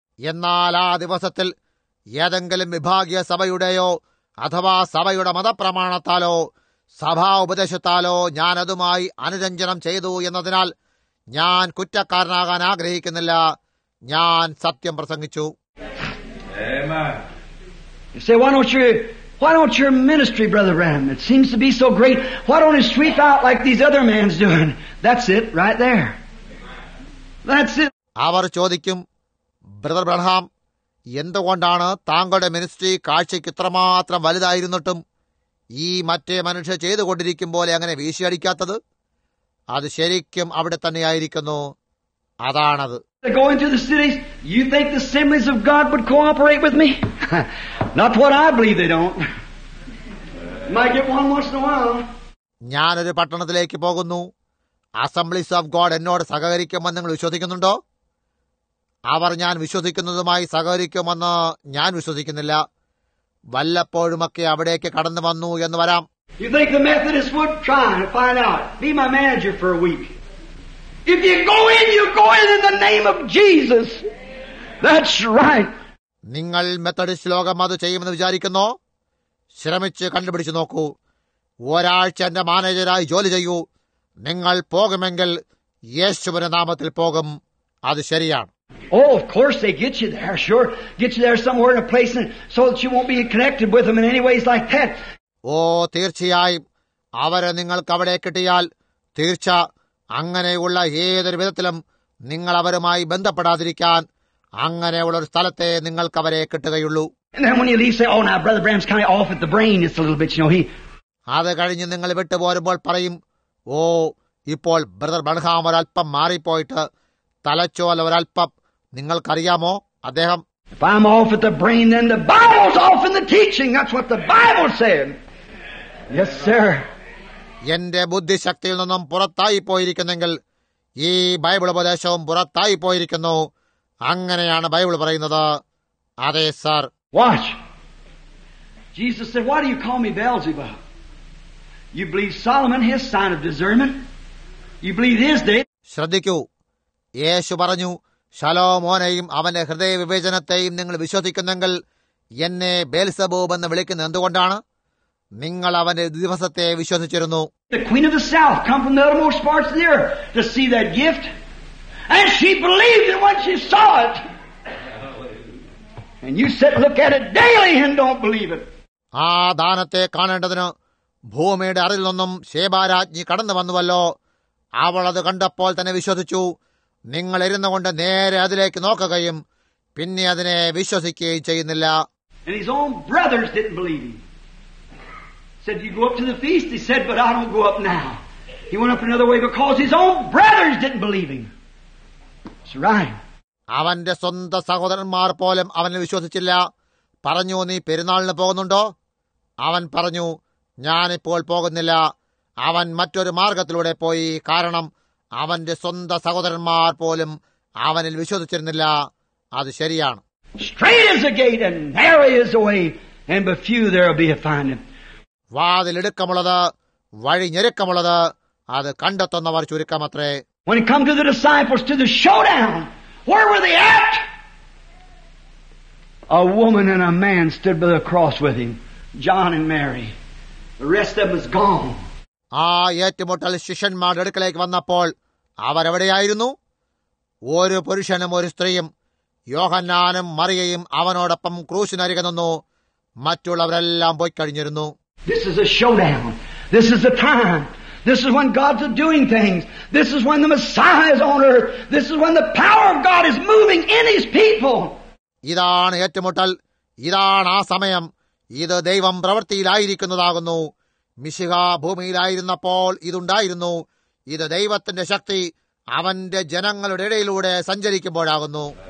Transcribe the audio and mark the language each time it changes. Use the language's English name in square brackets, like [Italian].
[Malayalam] എന്നാൽ ആ ദിവസത്തിൽ ഏതെങ്കിലും വിഭാഗീയ സഭയുടെയോ അഥവാ സഭയുടെ മതപ്രമാണത്താലോ സഭാ ഉപദേശത്താലോ ഞാനതുമായി അനുരഞ്ജനം ചെയ്തു എന്നതിനാൽ ഞാൻ കുറ്റക്കാരനാകാൻ ആഗ്രഹിക്കുന്നില്ല. ഞാൻ സത്യം പ്രസംഗിച്ചു. [English] Amen. You say, why don't your ministry, Brother Ram, it seems to be so great, why don't you sweep out like these other men's doing? That's it, right there. That's it. [Malayalam] അവർ ചോദിക്കും, brother ബ്രഹാം, എന്തുകൊണ്ടാണ് താങ്കളുടെ ministry കാഴ്ചയ്ക്ക് ഇത്രമാത്രം വലുതായിരുന്നിട്ടും ഈ മറ്റേ മനുഷ്യ ചെയ്തുകൊണ്ടിരിക്കും പോലെ അങ്ങനെ വീശിയടിക്കാത്തത്? അത് ശരിക്കും അവിടെ തന്നെയായിരിക്കുന്നു. അതാണത്. [English] Going to the cities, you think the assemblies of God would cooperate with me? Not what I believe they don't. Might get one once in a while. [Malayalam] ഞാനൊരു പട്ടണത്തിലേക്ക് പോകുന്നു, അസംബ്ലീസ് ഓഫ് ഗോഡ് എന്നോട് സഹകരിക്കുമെന്ന് നിങ്ങൾ വിശ്വസിക്കുന്നുണ്ടോ? അവർ ഞാൻ വിശ്വസിക്കുന്നതുമായി സഹകരിക്കുമെന്ന് ഞാൻ വിശ്വസിക്കുന്നില്ല. വല്ലപ്പോഴുമൊക്കെ അവിടേക്ക് കടന്നു വന്നു എന്ന് വരാം. [English] You think the Methodist would try to find out, be my manager for a week. If you go in, you go in the name of Jesus. That's right. [Malayalam] നിങ്ങൾ മെത്തഡിസ്റ്റ് ലോകം അത് ചെയ്യുമെന്ന് വിചാരിക്കുന്നോ? ശ്രമിച്ച് കണ്ടുപിടിച്ചു നോക്കൂ. ഒരാഴ്ച എന്റെ മാനേജരായി ജോലി ചെയ്യൂ. നിങ്ങൾ പോകുമെങ്കിൽ യേശുവിന്റെ നാമത്തിൽ പോകും. അത് ശരിയാണ്. [English] Oh, of course they get you there, sure. Get you there somewhere in a place so that you won't be connected with them in any ways like that. [Malayalam] Oh, തീർച്ചയായും അവരെ നിങ്ങൾക്ക് അവിടെ കിട്ടിയാൽ തീർച്ച അങ്ങനെയുള്ള ഏതൊരു വിധത്തിലും നിങ്ങൾ അവരുമായി ബന്ധപ്പെടാതിരിക്കാൻ അങ്ങനെയുള്ള ഒരു സ്ഥലത്തെ നിങ്ങൾക്ക് അവരെ കിട്ടുകയുള്ളൂ. [English] And then when you leave, say, oh, now Brother Bram's kind of off at the brain. It's a little bit, you know, he... [Malayalam] അത് കഴിഞ്ഞ് നിങ്ങൾ വിട്ടുപോരുമ്പോൾ പറയും, ഓ ഇപ്പോൾ ബ്രദർ ബ്രൺഹാം ഒരല്പം മാറിപ്പോയിട്ട് തലച്ചോല ഒരല്പം, നിങ്ങൾക്കറിയാമോ അദ്ദേഹം [English] If I'm off at the brain, then the Bible's off in the teaching. That's what the Bible said. Yes, sir. [Malayalam] എന്റെ ബുദ്ധിശക്തിയിൽ നിന്നും പുറത്തായി പോയിരിക്കുന്നെങ്കിൽ ഈ ബൈബിൾ ഉപദേശവും പുറത്തായി പോയിരിക്കുന്നു. അങ്ങനെയാണ് ബൈബിൾ പറയുന്നത്. അതെ sir. [English] Watch. Jesus said, why do you call me Beelzebub? You believe Solomon, his sign of discernment. You believe his day. [Malayalam] ശ്രദ്ധിക്കൂ. യേശു പറഞ്ഞു, ശലോമോനെയും അവന്റെ ഹൃദയ വിവേചനത്തെയും നിങ്ങൾ വിശ്വസിക്കുന്നെങ്കിൽ എന്നെ ബേൽസബൂബ് എന്ന് വിളിക്കുന്നത് എന്തുകൊണ്ടാണ്? നിങ്ങൾ അവന്റെ ദിവസത്തെ വിശ്വസിച്ചിരുന്നു. [English] The queen of the south come from the uttermost parts of the earth to see that gift, and she believed it when she saw it. And you sit and look at it daily and don't believe it. [Malayalam] ആ ദാനത്തെ കാണേണ്ടതിന് ഭൂമിയുടെ അറിയിൽ നിന്നും ശേബാരാജ്ഞി കടന്നു വന്നുവല്ലോ. അവൾ അത് കണ്ടപ്പോൾ തന്നെ വിശ്വസിച്ചു. നിങ്ങൾ ഇരുന്നു കൊണ്ട് നേരെ അതിലേക്ക് നോക്കുകയും പിന്നെ അതിനെ വിശ്വസിക്കുകയും ചെയ്യുന്നില്ല. [English] And his own brothers didn't believe him. Said, you go up to the feast. He said, but I don't go up now. He went up another way because his own brothers didn't believe him. It's right. [Malayalam] അവന്റെ സ്വന്തം സഹോദരന്മാർ പോലും അവനെ വിശ്വസിച്ചില്ല. പറഞ്ഞു, നീ പെരുന്നാളിന് പോകുന്നുണ്ടോ? അവൻ പറഞ്ഞു, ഞാനിപ്പോൾ പോകുന്നില്ല. അവൻ മറ്റൊരു മാർഗത്തിലൂടെ പോയി. കാരണം അവന്റെ സ്വന്തം സഹോദരന്മാർ പോലും അവനിൽ വിശ്വസിച്ചിരുന്നില്ല. അത് ശരിയാണ്. [English] Straight is the gate and narrow is the way, and but few there will be a find him. [Malayalam] വാതിൽ ഇടുക്കമുള്ളത്, വഴി ഞെരുക്കമുള്ളത്, അത് കണ്ടെത്തുന്നവർ ചുരുക്കമത്രേ. [English] When it comes to the disciples, to the showdown, where were they at? A woman and a man stood by the cross with him, John and Mary. The rest of them is gone. [Malayalam] ആ ഏറ്റുമുട്ടൽ ശിഷ്യന്മാരുടെ അടുക്കലേക്ക് വന്നപ്പോൾ അവരെവിടെയായിരുന്നു? ഒരു പുരുഷനും ഒരു സ്ത്രീയും, യോഹന്നാനും മറിയയും അവനോടൊപ്പം ക്രൂശിനരികെ നിന്നു. മറ്റുള്ളവരെല്ലാം പോയി കഴിഞ്ഞിരുന്നു. [English] This is a showdown. This is the time. This is when God's doing things. This is when the Messiah is on earth. This is when the power of God is moving in his people. [Malayalam] ഇതാണ് ഏറ്റുമുട്ടൽ. ഇതാണ് ആ സമയം. ഇത് ദൈവം പ്രവൃത്തിയിലായിരിക്കുന്നതാകുന്നു. മിശിഹ ഭൂമിയിലായിരുന്നപ്പോൾ ഇതുണ്ടായിരുന്നു. ഇത് ദൈവത്തിന്റെ ശക്തി അവന്റെ ജനങ്ങളുടെ ഇടയിലൂടെ സഞ്ചരിക്കുമ്പോഴാകുന്നു.